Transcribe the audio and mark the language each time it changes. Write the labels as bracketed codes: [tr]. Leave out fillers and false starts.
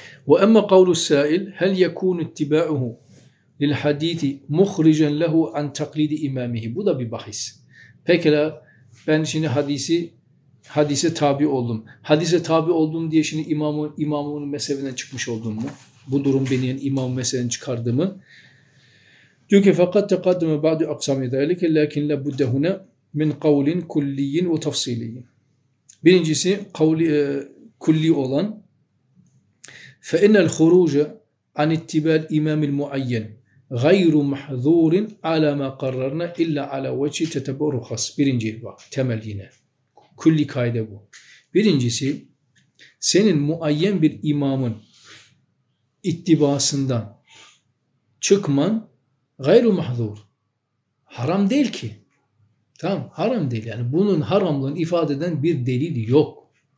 [ar] وَأَمَّا قَوْلُ السَّائِلِ هَلْ يَكُونُ اتِّبَاعُهُ لِلْحَدِيثِ مُخْرِجًا لَهُ عَنْ تَقْلِيدِ اِمَامِهِ [tr] Bu da bir bahis. Pekala ben şimdi hadise tabi oldum. Hadise tabi oldum diye şimdi imamın mezhebinden çıkmış oldum mu? Bu durum beni yani imamın mezhebinden çıkardı mı? Diyor ki [ar] فَقَدْ تَقَدْمَ بَعْدُ اَقْسَامِ ذَٰلِكَ لَكِنْ لَبُدَّهُنَا مِنْ قَوْلٍ كُلِّيٍ وَتَفْصِيلِيٍ [tr] Birincisi kavli, kulli olan [ar] فَإِنَّ الْخُرُوجَ عَنِ اتِّبَى الْإِمَامِ الْمُعَيَّنِ غَيْرُ مَحْذُورٍ عَلَى مَا قَرَّرْنَا إِلَّا عَلَى وَجْهِ تَتَبَعُ رُخَصٍ [tr] Birinci bak temel yine. Külli kaide bu. Birincisi senin muayyen bir imamın ittibasından çıkman [ar] غَيْرُ مَحْذُور [tr] Haram değil ki. Tamam haram değil yani bunun haramlığını ifade eden bir delil yok.